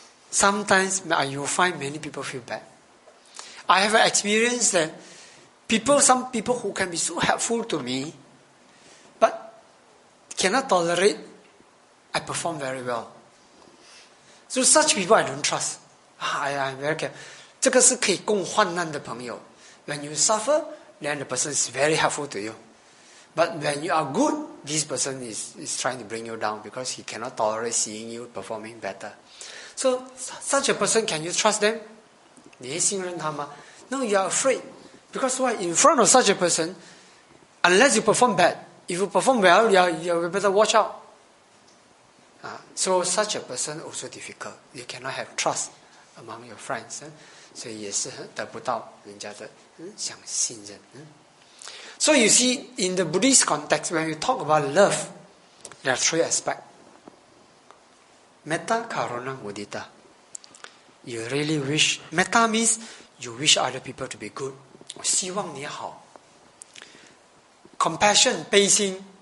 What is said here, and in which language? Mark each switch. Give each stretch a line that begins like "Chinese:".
English: Sometimes you find many people feel bad. I have an experience that some people who can be so helpful to me but cannot tolerate I perform very well. So such people I don't trust. I'm very careful.
Chinese: 这个是可以共患难的朋友。
English: When you suffer, then the person is very helpful to you. But when you are good, this person is trying to bring you down because he cannot tolerate seeing you performing better. So, such a person, can you trust them?
Chinese: 你会信任他吗?
English: No, you are afraid. Because why? In front of such a person, unless you perform bad, if you perform well, you better watch out. So, such a person also difficult. You cannot have trust among your friends.
Chinese: 所以也是得不到人家的想信任。
English: So you see, in the Buddhist context, when you talk about love, there are three aspects. Metta, Karuna, Mudita. You really wish, Metta means you wish other people to be good.
Chinese: 我希望你好。Compassion, 悲心。